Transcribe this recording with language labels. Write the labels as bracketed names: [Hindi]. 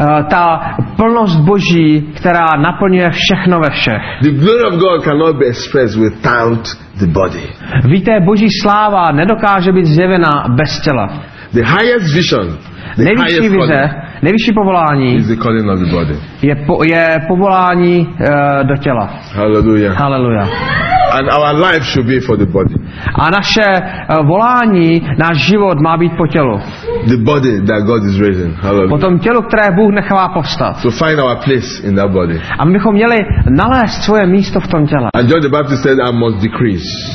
[Czech] Ta plnost Boží, která naplňuje všechno ve všech. [English] The glory of God cannot be expressed without the body. [Czech] Víte, Boží sláva nedokáže být zjevena bez těla. [English] The highest vision, the [Czech] nejvyšší [English] highest [Czech] vize, nejvyšší povolání [English] is the calling of the body. [Czech] Je povolání do těla. Hallelujah. Hallelujah. [English] And our life should be for the body. [Czech] A naše volání, náš život má být po tělu. [English] The body that God is raising. Hallelujah. [Czech] Po tom tělu, které Bůh nechává povstat. [English] So find our place in that body. [Czech] A my bychom měli nalézt svoje místo v tom těle. [English] And John the Baptist said, I must decrease.